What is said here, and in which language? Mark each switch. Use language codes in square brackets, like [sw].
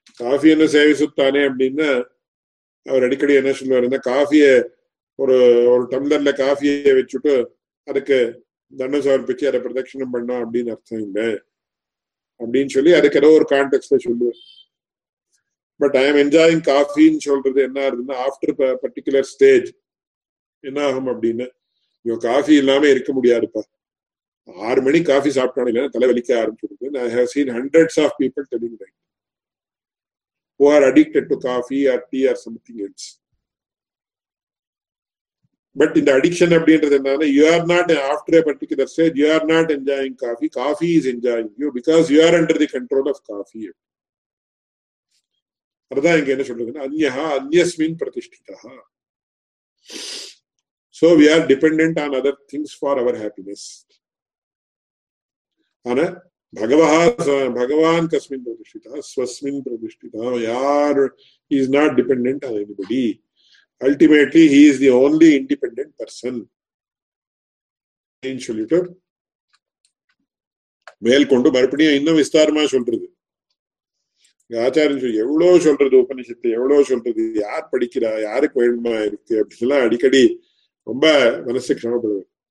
[ta] Coffee என்ன சேவி சுத்தானே அப்படின்னா, அவர் அடிக்கடி என்ன சொல்லுவாருன்னா, காஃபிய ஒரு ஒரு டம்ளர்ல காஃபியை வச்சுட்டு அதுக்கு தண்டம் சமர்ப்பிச்சு அதை பிரதட்சிணம் பண்ணோம் அப்படின்னு அர்த்தம் இல்லை அப்படின்னு சொல்லி அதுக்கு ஏதோ ஒரு கான்டெக்ஸ்ட்ல சொல்லுவார். [en] but I am enjoying [ta] காஃபின்னு சொல்றது என்ன இருக்குன்னா, [en] after particular stage [ta] என்ன ஆகும் அப்படின்னு, இவன் காஃபி இல்லாம இருக்க முடியாதுப்பா, 6 மணி காஃபி சாப்பிட்டானு தலை வலிக்க ஆரம்பிச்சிருக்கு. [en] I have seen hundreds of people telling that who are addicted to coffee or tea or something else. But in the addiction [ta] அப்படின்றது என்னன்னா, [en] you are not after a particular stage, you are not enjoying coffee, coffee is enjoying you because you are under the control of coffee. [ta] அதுதான் இங்க என்ன சொல்றதுன்னா, [sa] அந்யஹா அந்யஸ்மின் பிரதிஷ்டிதா. [en] So we are dependent on other things for our happiness. [ta] ஆனா பகவான் [sa] கஸ்மின் பிரதிஷ்டிதா, ஸ்வஸ்மின் பிரதிஷ்டிதா, [ta] யார் [en] is not dependent on anybody, ultimately he is the only independent person [ta] சொல்லிட்டு மேல்கொண்டு மறுபடியும் இன்னும் விஸ்தாரமா சொல்றது ஆச்சாரியன் சொல்லி, எவ்வளவு சொல்றது உபனிஷத்து, எவ்வளவு சொல்றது, யார் படிக்கிறா, யாருக்கு வேண்டுமா இருக்கு அப்படின்லாம் அடிக்கடி ரொம்ப மனசு கஷமப்படுவேன்.